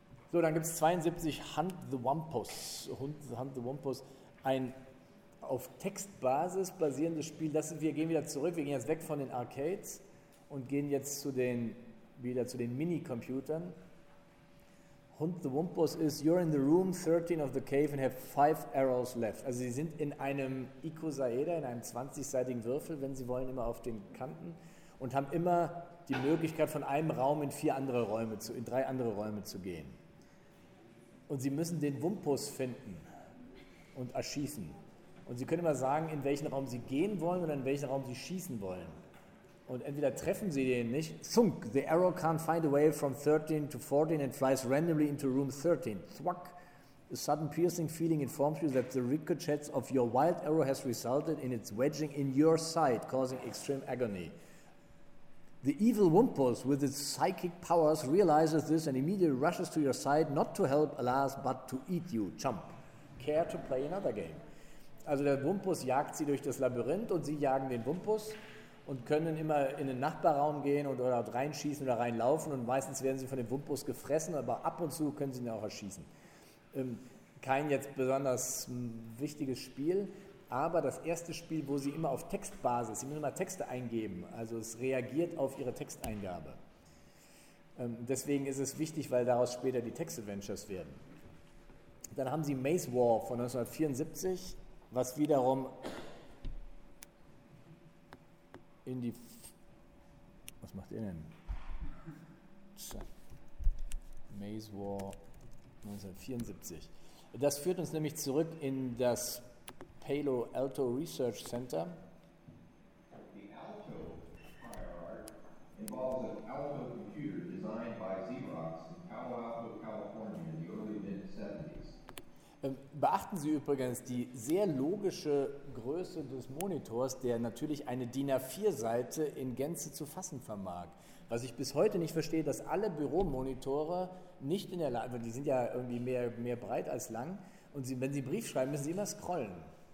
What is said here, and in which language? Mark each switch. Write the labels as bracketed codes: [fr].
[de] So, dann gibt es 72 Hunt the Wampus. Ein auf Textbasis basierendes Spiel. Das ist, wir gehen wieder zurück, wir gehen jetzt weg von den Arcades und gehen jetzt zu den, wieder zu den Minicomputern. [en] Hund the Wumpus ist, you're in the room 13 of the cave and have 5 arrows left. [de] Also sie sind in einem Icosaeder, in einem 20-seitigen Würfel, wenn sie wollen, immer auf den Kanten und haben immer die Möglichkeit, von einem Raum in drei andere Räume zu gehen. Und sie müssen den Wumpus finden und erschießen. Und sie können immer sagen, in welchen Raum sie gehen wollen oder in welchen Raum sie schießen wollen. Und entweder treffen sie den nicht. [en] Thunk, the arrow can't find a way from 13 to 14 and flies randomly into room 13. Thwack, a sudden piercing feeling informs you that the ricochets of your wild arrow has resulted in its wedging in your side, causing extreme agony. The evil Wumpus, with its psychic powers, realizes this and immediately rushes to your side, not to help, alas, but to eat you. Chomp. Care to play another game? [de] Also der Wumpus jagt sie durch das Labyrinth und sie jagen den Wumpus und können immer in den Nachbarraum gehen und dort reinschießen oder reinlaufen und meistens werden sie von dem Wumpus gefressen, aber ab und zu können sie ihn auch erschießen. Kein jetzt besonders wichtiges Spiel, aber das erste Spiel, wo sie immer auf Textbasis, sie müssen immer Texte eingeben, also es reagiert auf ihre Texteingabe. Deswegen ist es wichtig, weil daraus später die Text-Adventures werden. Dann haben sie Maze War von 1974, was wiederum in die... Was macht ihr denn? Maze War 1974. Das führt uns nämlich zurück in das Palo Alto Research Center. [en] The Alto prior art involves an Alto computer designed by Xerox in Palo Alto, California in the early mid-70s. [de] Beachten Sie übrigens die sehr logische Größe des Monitors, der natürlich eine DIN A4-Seite in Gänze zu fassen vermag. Was ich bis heute nicht verstehe, dass alle Büromonitore nicht in der Lage, die sind ja irgendwie mehr breit als lang, und sie, wenn Sie Brief schreiben, müssen Sie immer scrollen.